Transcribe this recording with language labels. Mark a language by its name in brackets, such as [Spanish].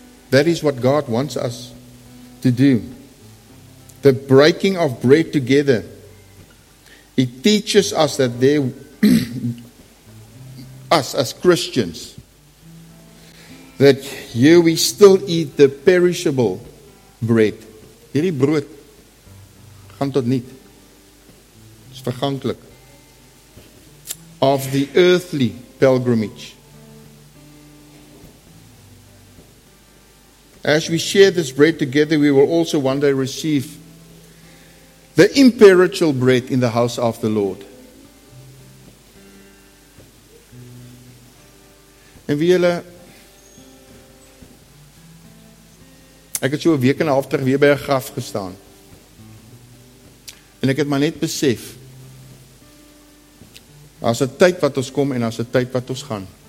[English] That is what God wants us to do. The breaking of bread together, it teaches us that there, us as Christians, that here we still eat the perishable bread. [Afrikaans] Hierdie brood gaan tot niet. Het is verganklik. [English] Of the earthly pilgrimage. As we share this bread together, we will also one day receive the imperishable bread in the house of the Lord. [Afrikaans] En wie julle, ek het so 'n week en 'n half terug weer by 'n graf gestaan. En ek het maar net besef, daar's 'n tyd wat ons kom en daar's 'n tyd wat ons gaan.